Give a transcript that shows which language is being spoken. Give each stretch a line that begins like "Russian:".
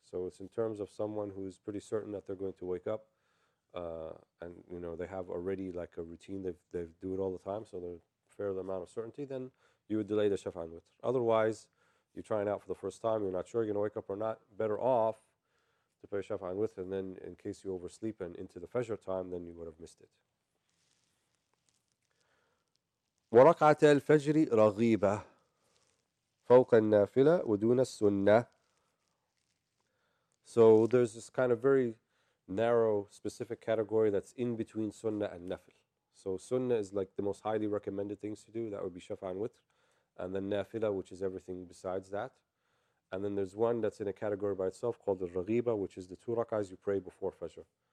English: So it's in terms of someone who is pretty certain that they're going to wake up, and you know, they have already like a routine, they do it all the time, so they're further amount of certainty, then you would delay the Shafa and Witr. Otherwise, you're trying out for the first time, you're not sure you're going to wake up or not, better off to pay Shafa and Witr, and then in case you oversleep and into the Fajr time, then you would have missed it.
Arabic: وركعت الفجر رغيبة فوق النافلة ودون السنة.
English: So there's this kind of very narrow specific category that's in between sunnah and nafil. So sunnah is like the most highly recommended things to do, that would be shafa and witr, and then nafila, which is everything besides that. And then there's one that's in a category by itself called the raghiba, which is the two rak'ahs you pray before fajr.